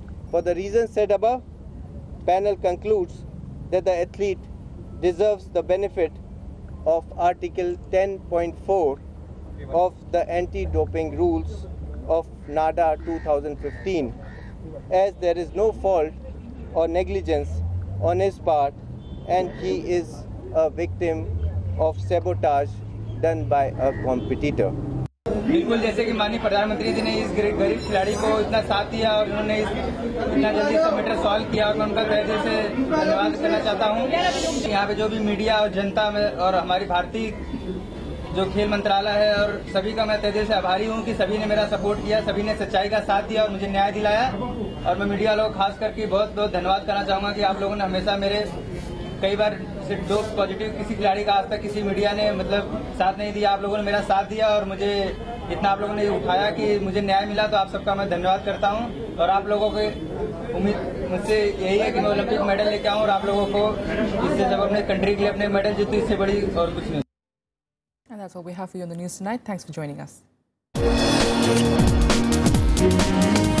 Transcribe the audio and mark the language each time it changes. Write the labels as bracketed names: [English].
[English] For the reasons said above, panel concludes that the athlete deserves the benefit of Article 10.4 of the anti-doping rules of NADA 2015, as there is no fault or negligence on his part and he is a victim of sabotage done by a competitor. [Hindi] बिल्कुल जैसे कि माननीय प्रधानमंत्री जी ने इस गरीब खिलाड़ी को इतना साथ दिया और उन्होंने इतना जल्दी सब मैटर सॉल्व किया और मैं उनका तहे दिल से धन्यवाद करना चाहता हूं. यहां पे जो भी मीडिया और जनता में और हमारी भारतीय जो खेल मंत्रालय है और सभी का मैं तहे दिल से आभारी हूं कि सभी ने मेरा सपोर्ट किया, सभी ने सच्चाई का साथ दिया और मुझे न्याय दिलाया. और मैं मीडिया लोग खास करके बहुत बहुत धन्यवाद करना चाहूंगा कि आप लोगों ने हमेशा मेरे कई बार जो पॉजिटिव किसी खिलाड़ी का आज तक किसी मीडिया ने मतलब साथ नहीं दिया, आप लोगों ने मेरा साथ दिया और मुझे इतना आप लोगों ने उठाया कि मुझे न्याय मिला, तो आप सबका मैं धन्यवाद करता हूं. और आप लोगों को उम्मीद मुझसे यही है कि मैं ओलंपिक मेडल लेके आऊं और आप लोगों को इससे जब अपने कंट्री के लिए अपने मेडल जीते इससे बड़ी और कुछ नहीं. [English] And that's all we have for you on the news tonight. Thanks for joining us.